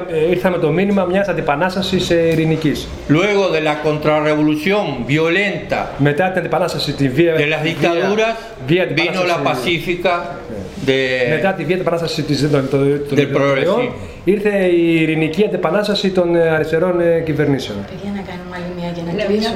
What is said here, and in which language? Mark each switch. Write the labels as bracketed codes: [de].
[el] Ήρθαμε με το μήνυμα μιας αντιπανάστασης ειρηνικής. [es] Luego de la contrarrevolución violenta. [el] Μετά την αντιπανάσταση τη βία. [es] De las dictaduras. [el] Βία, [es] vino la pacífica. [el] Μετά τη βία αντιπανάσταση της των ήρθε η ειρηνική αντιπανάσταση των αριστερών κυβερνήσεων. Παιδιά, να κάνουμε άλλη μία για να κλείσουμε.